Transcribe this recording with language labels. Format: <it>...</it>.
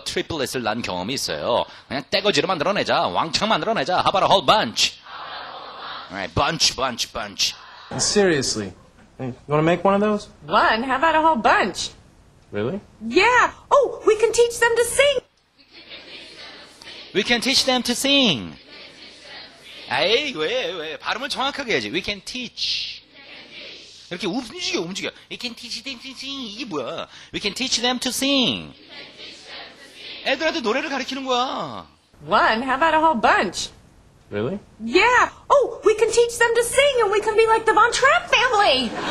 <ko>트리플릿을 난 경험이 있어요. 그냥 떼거지로 만들어내자. 왕창 만들어내자.</ko> <en>How about a whole bunch? Alright, bunch, bunch, bunch. Seriously, you want to make one of those? One? How about a whole bunch? Really? Yeah! Oh, we can teach them to sing! We can teach them to sing!</en> <ko>에이, 왜? 발음을 정확하게 해야지.</ko> <en>We can teach.</en> <ko>이렇게 움직여.</ko> <en>We can teach them to sing.</en> <ko>이게 뭐야?</ko> <en>We can teach them to sing.</en> <ko>애들한테 노래를 가르치는 거야.</ko> <en>One, how about a whole bunch? Really? Yeah. Oh, we can teach them to sing and we can be like the Von Trapp family.</en>